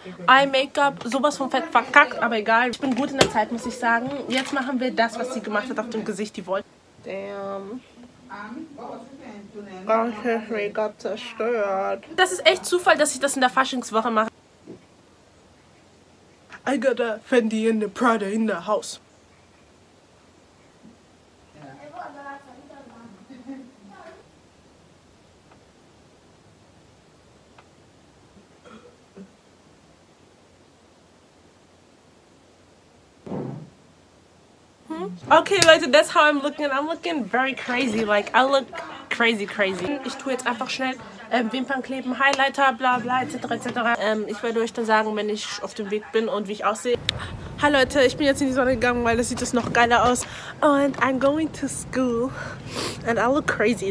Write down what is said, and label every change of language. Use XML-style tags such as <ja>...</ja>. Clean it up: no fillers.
<de>Eye Make-up, sowas von fett verkackt. Aber egal, ich bin gut in der Zeit, muss ich sagen. Jetzt machen wir das, was sie gemacht hat auf dem Gesicht. Die wollte. Damn. Ganz Make-up zerstört. Das ist echt Zufall, dass ich das in der Faschingswoche mache.</de> <en>I got a Fendi in the Prada in the house. Okay, Leute, that's how I'm looking. I'm looking very crazy. Like, I look crazy, crazy.</en> <de>Ich tue jetzt einfach schnell Wimpern kleben, Highlighter, bla bla, etc. etc. Ich werde euch dann sagen, wenn ich auf dem Weg bin und wie ich aussehe. Hi, Leute, ich bin jetzt in die Sonne gegangen, weil das sieht jetzt noch geiler aus.</de> <en>And I'm going to school. And I look crazy.</en>